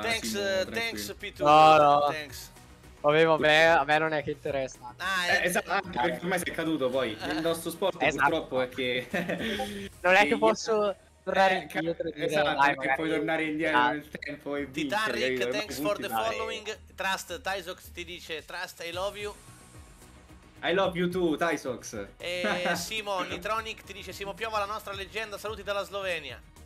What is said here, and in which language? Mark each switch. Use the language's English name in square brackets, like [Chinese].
[English] Thanks P2. No. Thanks. [Italian] Vabbè, a me non è che interessa. Esatto, anche perché ormai sei caduto poi. Il nostro sport purtroppo è che... Non è che posso tornare indietro. Esatto, perché puoi tornare indietro nel tempo e vincere. [English] Titanic, thanks for the following. Trust, Tysox [Italian] ti dice, [English] trust, I love you. I love you too, Tysox. [Italian] E Simo Nitronic ti dice: Simo Piova, la nostra leggenda, saluti dalla Slovenia.